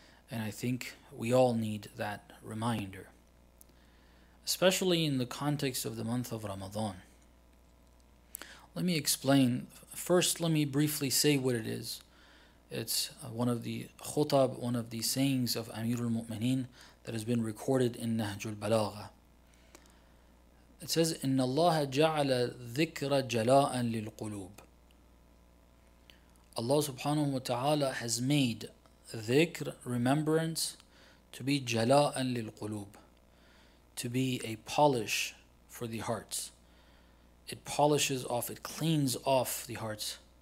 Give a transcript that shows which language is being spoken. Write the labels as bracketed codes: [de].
[en] And I think we all need that reminder, especially in the context of the month of Ramadan. Let me explain. First, let me briefly say what it is. It's one of the khutab, one of the sayings of Amir al-Mu'mineen that has been recorded in Nahjul Balagha. It says, [ar] إِنَّ اللَّهَ جَعَلَ ذِكْرَ جَلَاءً لِلْقُلُوبِ. [en] Allah subhanahu wa ta'ala has made dhikr, remembrance, to be jala'an lilqulub, to be a polish for the hearts. It polishes off, it cleans off the hearts.